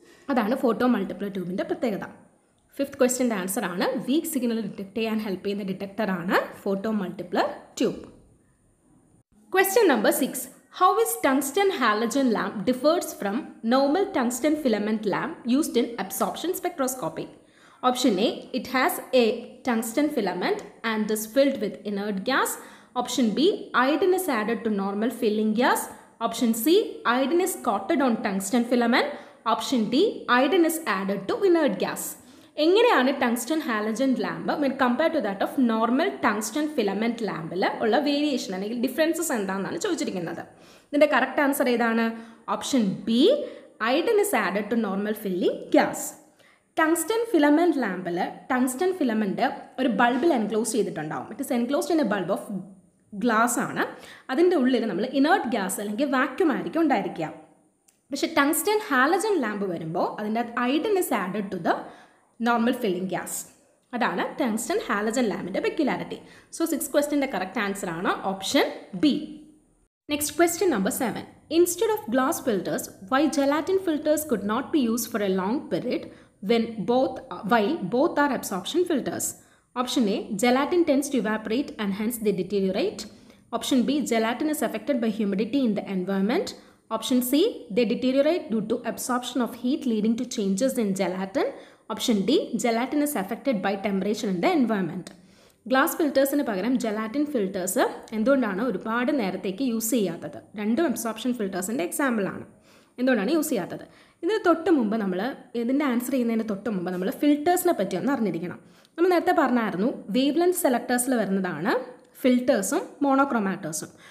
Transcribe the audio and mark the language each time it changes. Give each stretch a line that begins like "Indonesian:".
Malayalam: അതാണ് photo multiplier ട്യൂബിൻ്റെ പ്രത്യേകത. Fifth ക്വസ്റ്റ്യൻ്റെ ആൻസറാണ് week signal detect ചെയ്യാൻ ഹെൽപ്പ് ചെയ്യുന്ന ഡിറ്റക്ടറാണ് photo multiplier tube. Question number 6.
English: How is tungsten halogen lamp differs from normal tungsten filament lamp used in absorption spectroscopy? Option A, it has a tungsten filament and is filled with inert gas. Option B, iodine is added to normal filling gas. Option C, iodine is coated on tungsten filament. Option D, iodine is added to inert gas.
Malayalam: എങ്ങനെയാണ് tungsten halogen lamp
English: when compare to that of
Malayalam: normal tungsten filament ലാമ്പിൽ ഉള്ള variation അല്ലെങ്കിൽ differences എന്താണെന്നാണ് ചോദിച്ചിരിക്കുന്നത്. ഇതിൻ്റെ correct answer ഏതാണ്?
English: Option B, iodine is added to normal filling gas.
Malayalam: Tungsten filament ലാമ്പിൽ tungsten filament ഒരു ബൾബിൽ enclose ചെയ്തിട്ടുണ്ടാവും.
English: it is enclosed in a bulb of glass
Malayalam: ആണ്. അതിൻ്റെ ഉള്ളിൽ നമ്മൾ ഇനേർട്ട് ഗ്യാസ് അല്ലെങ്കിൽ വാക്യൂം ആയിരിക്കും ഉണ്ടായിരിക്കുക. പക്ഷേ ടങ്സ്റ്റൺ ഹാലജൻ ലാമ്പ് വരുമ്പോൾ അതിൻ്റെ ഐഡൻ
English: Is added to the normal filling gas.
Malayalam: അതാണ് tungsten halogen ലാമ്പിൻ്റെ peculiarity. So six ക്വസ്റ്റ്യൻ്റെ correct answer ആണ് option B.
English: Next question number 7. Instead of glass filters, why gelatin filters could not be use for a long period while both are absorption filters? Option A, gelatin tends to evaporate and hence they deteriorate. Option B, gelatin is affected by humidity in the environment. Option C, they deteriorate due to absorption of heat leading to changes in gelatin. Option D, gelatin is affected by temperature in the environment.
Malayalam: Glass ഫിൽറ്റേഴ്സിന് പകരം gelatin filters എന്തുകൊണ്ടാണ് ഒരുപാട് നേരത്തേക്ക് use ചെയ്യാത്തത്? രണ്ടും absorption ഫിൽറ്റേഴ്സിൻ്റെ എക്സാമ്പിളാണ്. എന്തുകൊണ്ടാണ് use ചെയ്യാത്തത്? ഇതിന് തൊട്ട് മുമ്പ് നമ്മൾ ഇതിൻ്റെ ആൻസർ ചെയ്യുന്നതിന് തൊട്ട് മുമ്പ് നമ്മൾ ഫിൽറ്റേഴ്സിനെ പറ്റി ഒന്ന് അറിഞ്ഞിരിക്കണം. നമ്മൾ നേരത്തെ പറഞ്ഞായിരുന്നു വേവ് ലെങ്ത് സെലക്ടേഴ്സിൽ വരുന്നതാണ് ഫിൽറ്റേഴ്സും മോണോക്രോമാറ്റേഴ്സും.